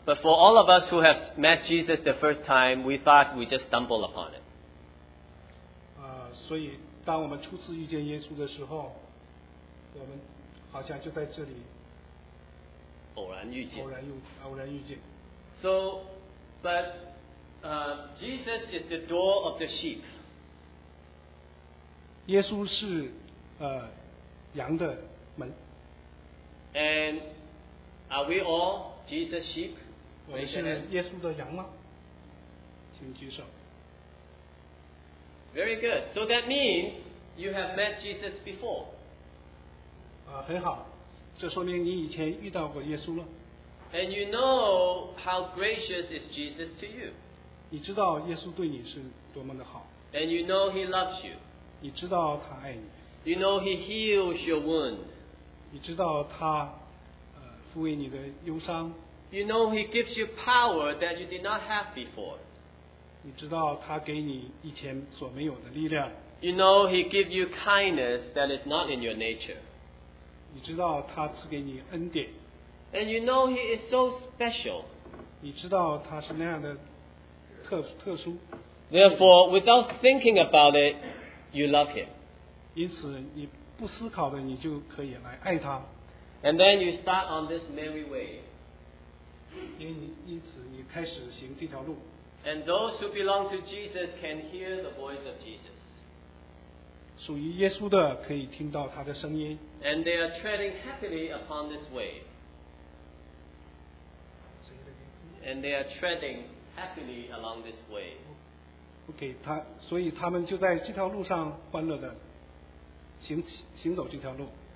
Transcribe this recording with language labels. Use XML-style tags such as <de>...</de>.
<en>But for all of us who have met Jesus the first time, we thought we just stumbled upon it.</en> <zh>所以当我们初次遇见耶稣的时候我们好像就在这里偶然遇见</zh> <en>So but Jesus is the door of the sheep</en> <zh>耶稣是羊的门。</zh> <en>And are we all Jesus' sheep?</en> <zh>我们是耶稣的羊吗？请举手。</zh> <en>Very good. So that means you have met Jesus before.</en> <zh>很好，这说明你以前遇到过耶稣了。</zh> <en>And you know how gracious is Jesus to you.</en> <zh>你知道耶稣对你是多么的好。</zh> <en>And you know he loves you.</en> <zh>你知道他爱你。</zh> <en>You know he heals your wound.</en> <zh>你知道他抚慰你的忧伤。</zh> <en>You know he gives you power that you did not have before.</en> <zh>你知道他给你以前所没有的力量。</zh> <en>You know he gives you kindness that is not in your nature.</en> <zh>你知道他赐给你恩典。</zh> <en>And you know he is so special.</en> <zh>你知道他是那样的特殊。</zh> <en>Therefore, without thinking about it, you love him.</en> <zh>因此你不思考的你就可以来爱他。</zh> <en>And then you start on this merry way.</en> <zh>因此你开始行这条路。</zh> <en>And those who belong to Jesus can hear the voice of Jesus.</en> <zh>属于耶稣的可以听到他的声音。</zh> <en>And they are treading happily upon this way. And they are treading happily along this way.</en> <zh>Okay, 所以他们就在这条路上欢乐的行走这条路。</zh>